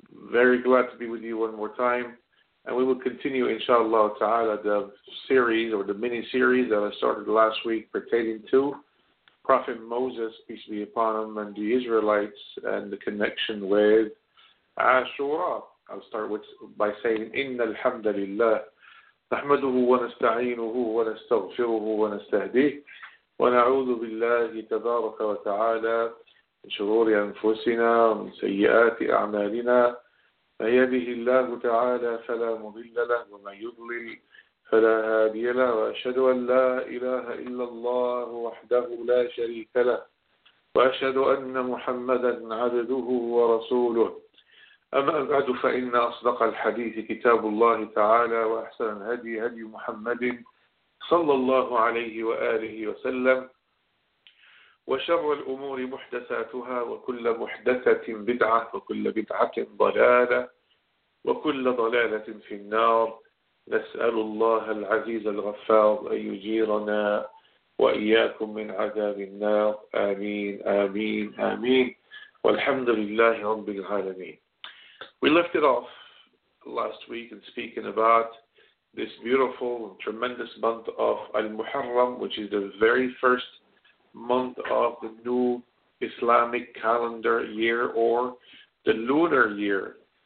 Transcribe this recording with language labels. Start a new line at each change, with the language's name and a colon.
English: Very glad to be with you one more time. And we will continue, inshallah ta'ala, the series or the mini-series that I started last week pertaining to Prophet Moses, peace be upon him, and the Israelites and the connection with Ashura. I'll start by saying,
Arabic: Inna alhamdulillah. نحمده ونستعينه ونستغفره ونستهديه ونعوذ بالله تبارك وتعالى من شرور أنفسنا ومن سيئات أعمالنا من يهده الله تعالى فلا مضل له ومن يضلل فلا هادي له وأشهد أن لا إله إلا الله وحده لا شريك له وأشهد أن محمدا عبده ورسوله أما بعد فإن أصدق الحديث كتاب الله تعالى وأحسن الهدي هدي محمد صلى الله عليه وآله وسلم وشر الأمور محدثاتها وكل محدثة بدعة وكل بدعة ضلالة وكل ضلالة في النار نسأل الله العزيز الغفار أن يجيرنا وإياكم من عذاب النار آمين آمين آمين والحمد لله رب العالمين.
English: We left it off last week in speaking about this beautiful and tremendous month of Al-Muharram, which is the very first month of the new Islamic calendar year or the lunar year.